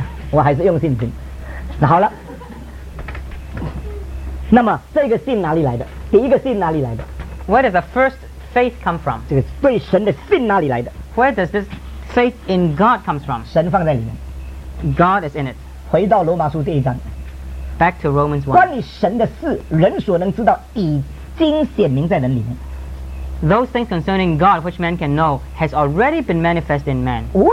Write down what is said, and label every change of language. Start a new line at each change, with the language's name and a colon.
Chinese: 我还是用信心。好了，那么这个信哪里来的？第一个信哪里来的？
English: Where does the first faith come from?
Chinese: 这个对神的信哪里来的？
English: Where does this faith in God comes from?
Chinese: 神放在里面。
English: God is in it.
Chinese: 回到罗马书第一章。
English: Back to Romans 1.
Chinese: 关于神的事，人所能知道，已经显明在人里面。
English: Those things concerning God which man can know has already been manifest in man.